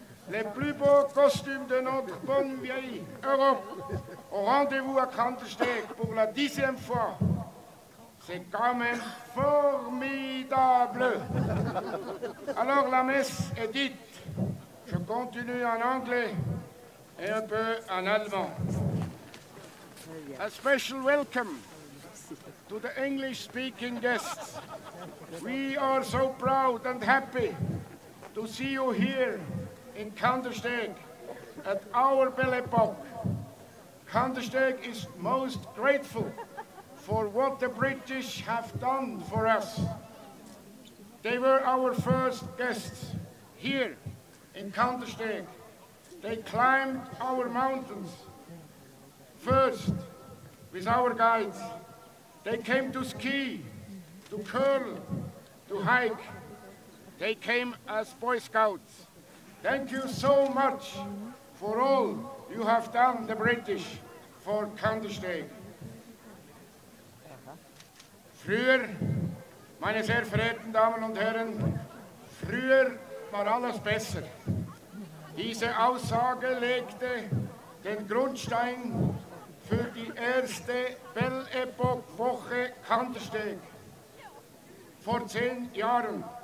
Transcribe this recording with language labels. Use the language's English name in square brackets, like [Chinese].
[French] Les plus beaux costumes de notre bonne vieille Europe au rendez-vous à Kranzstedt pour la 10e fois. C'est quand même formidable. Alors la messe est dite. Je continue en anglais et un peu en allemand. [English] A special welcome to the English-speaking guests. We are so proud and happy to see you here in Kranzstedt at our Belle Epoque. Kranzstedt is most grateful for what the British have done for us. They were our first guests here in Counter-Strike. They climbed our mountains first with our guides. They came to ski, to curl, to hike. They came as Boy Scouts. Thank you so much for all you have done, the British, for Counter-Strike. [German] Früher, meine sehr verehrten Damen und Herren, früher war alles besser. Diese Aussage legte den Grundstein für die erste Belle Epoque Woche Counter-Strike vor 10 Jahren.